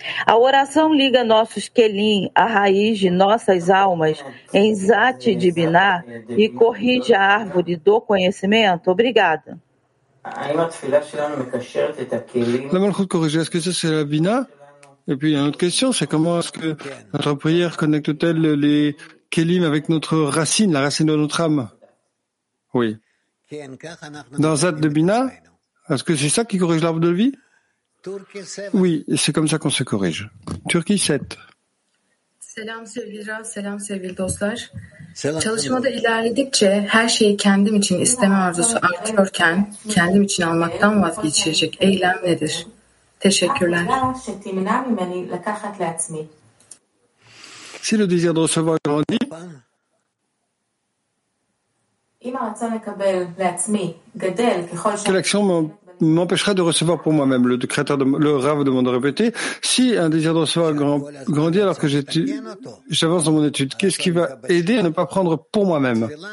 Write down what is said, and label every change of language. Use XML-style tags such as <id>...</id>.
<pt>A oração liga nossos kelim, a raiz de nossas almas, em Zat Dibiná, e corrige a árvore do conhecimento. Obrigada.</pt> <fr>La Malchut corrige, est-ce que ça c'est la Bina? Et puis, une autre question, c'est comment est-ce que notre prière connecte-t-elle les kelim avec notre racine, la racine de notre âme? Oui. Dans Zat Dibiná, est-ce que c'est ça qui corrige l'arbre de vie? Oui, c'est comme ça qu'on se corrige. Turquie 7.</fr> <tr>Selam sevgili Rav, selam sevgili dostlar. Çalışmada ilerledikçe her şeyi kendim için isteme arzusu artıyorken kendim için almaktan vazgeçilecek eylem nedir? Teşekkürler.</tr> <fr>Si le désir de recevoir grandit. Que l'action m'empêchera de recevoir pour moi-même, le créateur, le Rav demande de répéter. Si un désir de recevoir grandit alors que j'avance dans mon étude, qu'est-ce qui va aider à ne pas prendre pour moi-même?</fr>